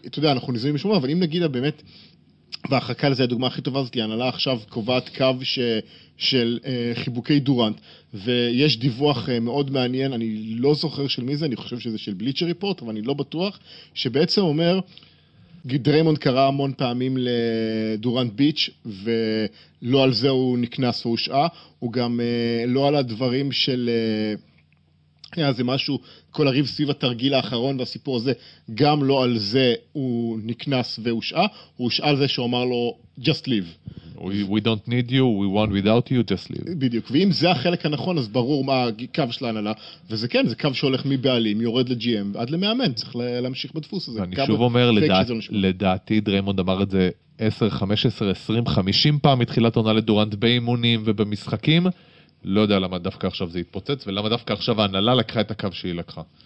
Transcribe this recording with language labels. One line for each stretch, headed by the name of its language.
Hebrew: אתה יודע, אנחנו נזמין משמעות, אבל אם נגיד באמת והחקה לזה הדוגמה הכי טובה הזאת, הנהלה עכשיו קובעת קו של חיבוקי דורנט, ויש דיווח מאוד מעניין, אני לא זוכר של מי זה, אני חושב שזה של בליצ'ר ריפורט, אבל אני לא בטוח, שבעצם אומר, דריימונד קרא המון פעמים לדורנט ביץ', ולא על זה הוא נכנס והושעה, הוא גם לא על הדברים של... היה זה משהו, כל הריב סביב התרגיל האחרון והסיפור הזה, גם לא על זה הוא נכנס והושעה, הוא הושעה על זה שהוא אמר לו,
English: just leave. We don't need you, we want without you, just leave.
Hebrew: בדיוק, ואם זה החלק הנכון, אז ברור מה הקו של ההנהלה, וזה כן, זה קו שהולך מבעלים, יורד לג'י-אם, עד למאמן, צריך להמשיך בדפוס הזה. אני שוב אומר, לדעתי דריימונד אמר את זה 10, 15, 20, 50 פעם מתחילת עונה לדורנט באימונים ובמשחקים, לא יודע למה דווקא עכשיו זה התפוצץ, ולמה דווקא עכשיו ההנהלה לקחה את הקו שהיא לקחה.